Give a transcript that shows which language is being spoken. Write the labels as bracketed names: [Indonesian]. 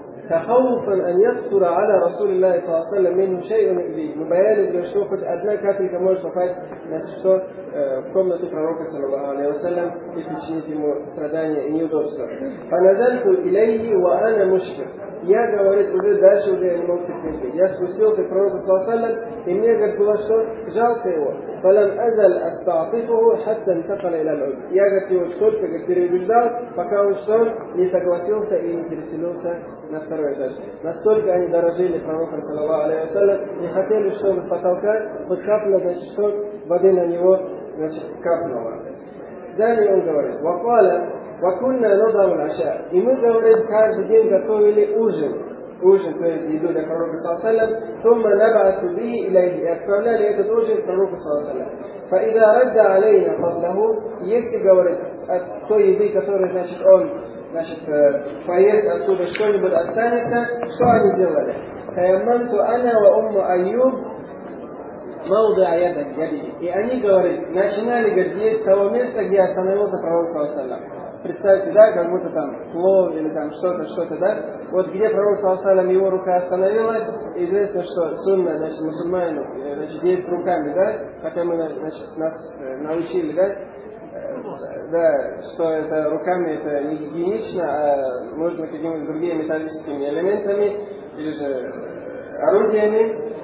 [Arabic] تخوفا أن يقصر على رسول الله صلى الله عليه وسلم منه شيء إليه. [Russian] Мы боялись, что хоть одна капелька может попасть, значит, что в комнату пророка [Arabic] صلى الله عليه وسلم [Russian] и причинить ему страдания и неудобства. [Arabic] فنزلت إليه وأنا مشفق. [Russian] Я, говорит, уже дальше уже я не мог терпеть. Я спустился к пророку [Arabic] صلى الله عليه وسلم, [Russian] и мне, говорит, было что? Жалко его. [Arabic] فلم أزل أستعطفه حتى انتقل إلى العود. [Russian] Я, говорит, его столько, говорит, переубеждал, пока он что? Не согласился и не переселился на второй этаж. Настолько они дорожили пророком [Arabic] صلى الله عليه وسلم, [Russian] не хотели, чтобы потолка хоть капля, значит, что воды на него, значит, капнула. Далее он говорит, [Arabic] وقال وكنا نضع العشاء. [Russian] И мы, говорит, каждый день готовили ужин. Ужин, то есть еду для пророка Саласалям. [Arabic] ثم نبعث به إليه. [Russian] И отправляли этот ужин к пророку Саласалям. [Arabic] فإذا رد علينا فضله. [Russian] Если, говорит, от той еды, которую, значит, он, значит, поест оттуда что-нибудь останется, что они делали? [Arabic] تيممت أنا وأم أيوب موضع يده. [Russian] И они, говорит, начинали, говорит, есть того места, где остановился пророк Саласалям. Представьте, да, как будто там плов или там что-то, да? Вот где пророк Саласалям, его рука остановилась, известно, что сунна, значит, мусульманин, значит, есть руками, да? Хотя мы, значит, нас научили, да? Да, что это руками это не гигиенично, а нужно какими-то другими металлическими элементами или же орудиями.